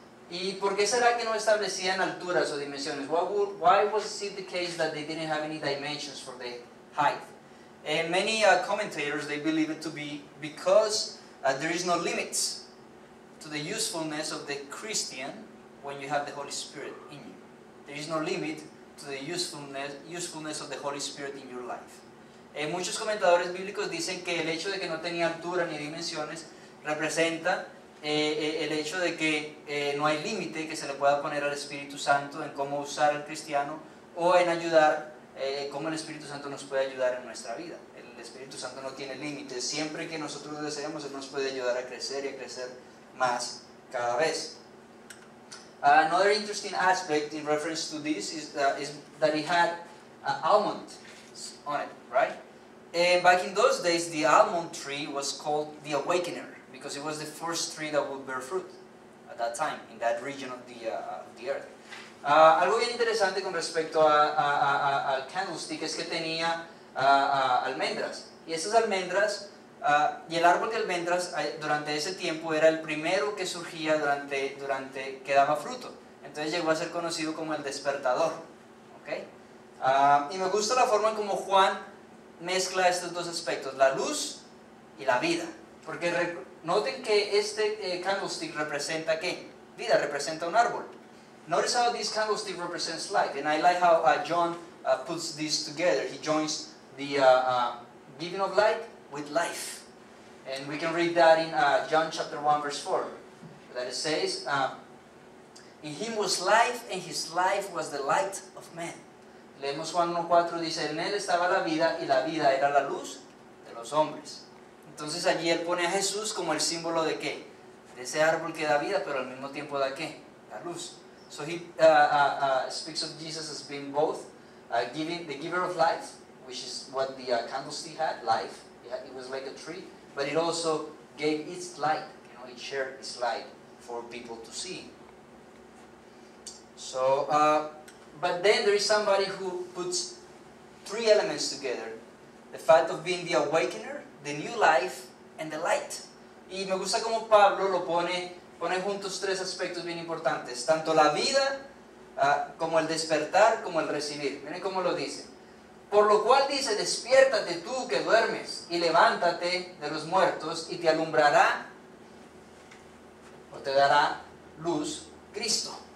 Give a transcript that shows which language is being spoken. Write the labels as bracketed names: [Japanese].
[Spanish] ¿Y por qué será que no establecían alturas o dimensiones? [English] Why was it the case that they didn't have any dimensions for the height? And many commentators, they believe it to be because there is no limits to the usefulness of the Christian when you have the Holy Spirit in you. There is no limit to the usefulness of the Holy Spirit in your life. [Spanish] Muchos comentadores bíblicos dicen que el hecho de que no tenía altura ni dimensiones representa el hecho de que no hay límite que se le pueda poner al Espíritu Santo en cómo usar al cristiano, o en ayudar, cómo el Espíritu Santo nos puede ayudar en nuestra vida. El Espíritu Santo no tiene límites. Siempre que nosotros deseemos, Él nos puede ayudar a crecer y a crecer más cada vez. [English] Another interesting aspect in reference to this is that it had almond on it, right? And back in those days, the almond tree was called the Awakener, because it was the first tree that would bear fruit at that time, in that region of the earth. [Spanish] Algo bien interesante con respecto al candlestick es que tenía almendras. Y esas almendras, y el árbol de almendras durante ese tiempo era el primero que surgía durante que daba fruto. Entonces llegó a ser conocido como el despertador. Okay? Y me gusta la forma en como Juan mezcla estos dos aspectos, la luz y la vida. Porque noten que este candlestick representa ¿qué? Vida, representa un árbol. [English] Notice how this candlestick represents life. And I like how John puts this together. He joins the giving of light with life. And we can read that in John chapter 1, verse 4. That it says, in him was life, and his life was the light of men. [Spanish] Leemos Juan 1:4, dice, en él estaba la vida, y la vida era la luz de los hombres. Entonces allí él pone a Jesús como el símbolo de ¿qué? De ese árbol que da vida, pero al mismo tiempo da ¿qué? La luz. [English] So he speaks of Jesus as being both giving the giver of life, which is what the candlestick had, life. It was like a tree, but it also gave its light, you know, it shared its light for people to see. So, but then there is somebody who puts three elements together. The fact of being the awakener, the new life, and the light. [Spanish] Y me gusta como Pablo lo pone juntos tres aspectos bien importantes. Tanto la vida, como el despertar, como el recibir. Miren cómo lo dice. Por lo cual dice, despiértate tú que duermes, y levántate de los muertos, y te alumbrará, o te dará luz, Cristo.